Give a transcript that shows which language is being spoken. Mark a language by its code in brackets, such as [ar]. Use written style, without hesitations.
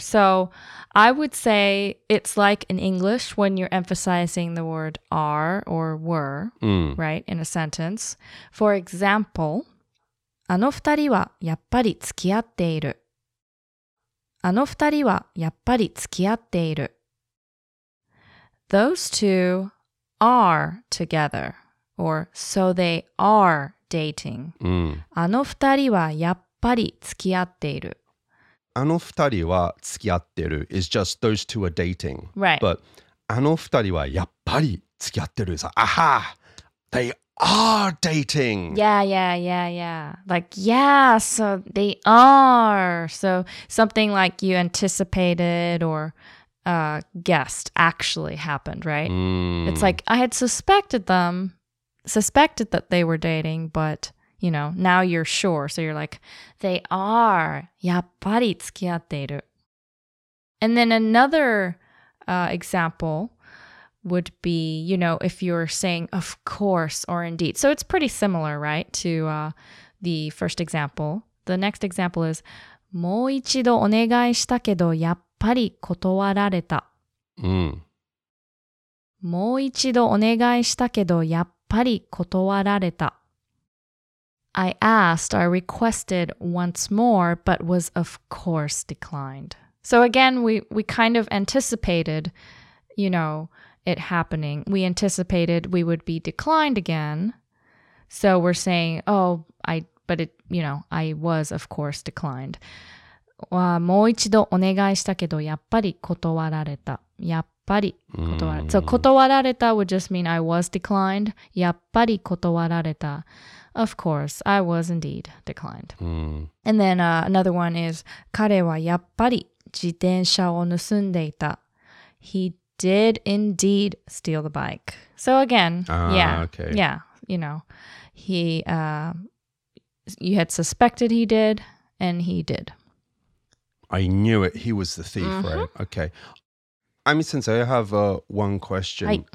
[en] So I would say it's like in English when you're emphasizing the word are or were, right, in a sentence. For example, [ja] あの二人はやっぱり付き合っている。あの二人はやっぱり付き合っている。 [en] Those two are together, or so they are dating.、うん、 [ja] あの二人はやっぱり付き合っている。あの二人は付き合ってる [en] is just those two are dating. Right. But [ja] あの二人はやっぱり付き合ってる [en] is like, aha! They are dating! Yeah, yeah, yeah, yeah. Like, yeah, so they are. So something like you anticipated or... guessed actually happened, right?、 Mm. It's like, I had suspected them, suspected that they were dating, but, you know, now you're sure. So you're like, they are, [ja] やっぱり付き合っている。 [en] And then another、example would be, you know, if you're saying, of course, or indeed. So it's pretty similar, right, to、the first example. The next example is, [ja] もう一度お願いしたけど、やっぱりやっぱり断られた、うん、もう一度お願いしたけどやっぱり断られた [en] I asked, I requested once more, but was of course declined. So again, we kind of anticipated, you know, it happening. We anticipated we would be declined again. So we're saying, oh, I was of course declined. [ja] わあ、もう一度お願いしたけど、やっぱり断られた。やっぱり断られた。 [en] So, 断られた would just mean I was declined. [ja] やっぱり断られた。 [en] Of course, I was indeed declined. And then、another one is, [ja] 彼はやっぱり自転車を盗んでいた。 [en] He did indeed steal the bike. So again,、you know, you had suspected he did, and he did. I knew it. He was the thief,、mm-hmm. right? Okay. Ami sensei, I have、one question.